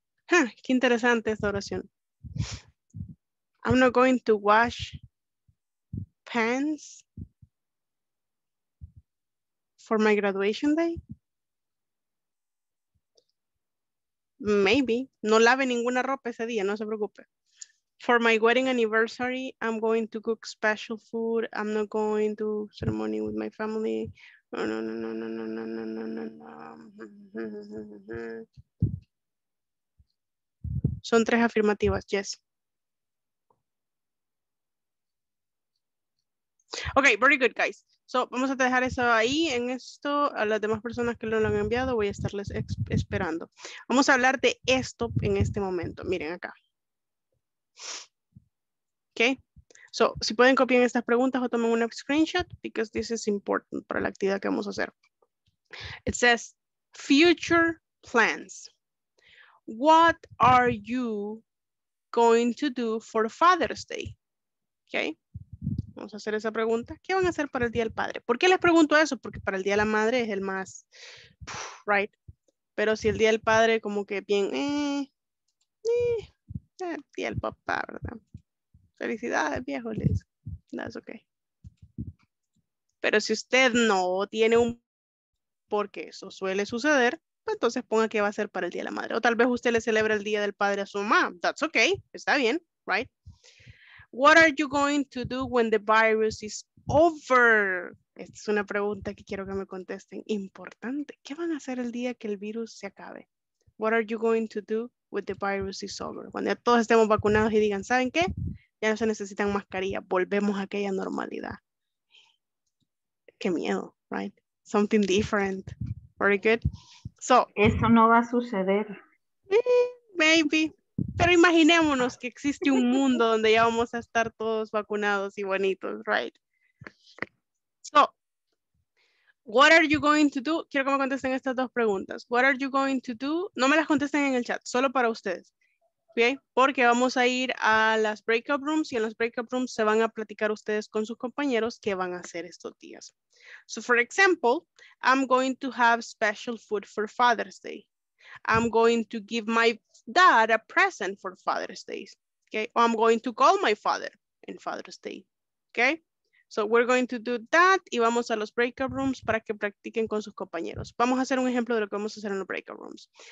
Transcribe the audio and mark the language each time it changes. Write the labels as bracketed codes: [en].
[es] Huh, qué interesante esta oración. [en] I'm not going to wash pants for my graduation day. Maybe. [es] No lave ninguna ropa ese día, no se preocupe. [en] For my wedding anniversary, I'm going to cook special food. I'm not going to ceremony with my family. [es] No, no, no, no, no, no, no, no, no, no, no. Son tres afirmativas, yes. [en] Ok, very good, guys. [es] So, vamos a dejar eso ahí en esto. A las demás personas que no lo han enviado, voy a estarles esperando. Vamos a hablar de esto en este momento. Miren acá. Ok. So, si pueden copiar estas preguntas o tomen una screenshot, [en] because this is important [es] para la actividad que vamos a hacer. [en] It says, future plans. What are you going to do for Father's Day? [es] Ok. Vamos a hacer esa pregunta. ¿Qué van a hacer para el Día del Padre? ¿Por qué les pregunto eso? Porque para el Día de la Madre es el más, right? Pero si el Día del Padre como que bien, Día del Papá, ¿verdad? Felicidades, viejo Liz. [en] That's okay. [es] Pero si usted no tiene un por qué, eso suele suceder, pues entonces ponga qué va a hacer para el Día de la Madre. O tal vez usted le celebra el Día del Padre a su mamá. [en] That's okay. [es] Está bien, [en] right? What are you going to do when the virus is over? [es] Esta es una pregunta que quiero que me contesten. Importante. ¿Qué van a hacer el día que el virus se acabe? [en] What are you going to do when the virus is over? [es] Cuando ya todos estemos vacunados y digan, ¿saben qué? Ya no se necesitan mascarillas. Volvemos a aquella normalidad. Qué miedo, right? [en] Something different. Very good. So, [es] eso no va a suceder. Maybe. Pero imaginémonos que existe un mundo donde ya vamos a estar todos vacunados y bonitos, right? [en] So, what are you going to do? [es] Quiero que me contesten estas dos preguntas. [en] What are you going to do? [es] No me las contesten en el chat, solo para ustedes. ¿Okay? Porque vamos a ir a las breakout rooms y en las breakout rooms se van a platicar ustedes con sus compañeros qué van a hacer estos días. [en] So, for example, I'm going to have special food for Father's Day. I'm going to give my dad a present for Father's Day. Okay. I'm going to call my father in Father's Day. Okay. So we're going to do that. [es] Y vamos a los breakout rooms para que practiquen con sus compañeros. Vamos a hacer un ejemplo de lo que vamos a hacer en los breakout rooms.